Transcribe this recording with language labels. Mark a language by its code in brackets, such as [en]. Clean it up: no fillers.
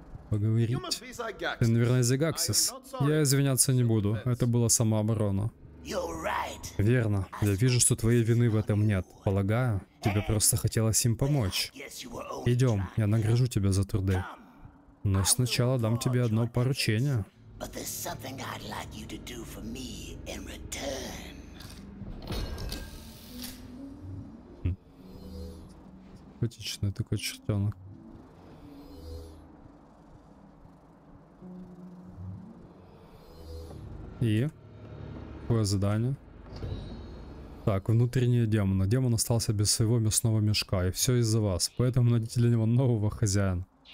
[ru] Поговорить. Ты, наверное, Зигаксис. Я извиняться не буду. Это была самооборона. Верно. Я вижу, что твоей вины в этом нет. Полагаю, тебе просто хотелось им помочь. Идем, я награжу тебя за труды. Но сначала дам тебе одно поручение. [en] But there's something I'd like you to do for me in return. [ru] Симпатичный такой чертенок. И? Какое задание? Так, внутренние демоны. Демон остался без своего мясного мешка, и все из-за вас. Поэтому найдите для него нового хозяина.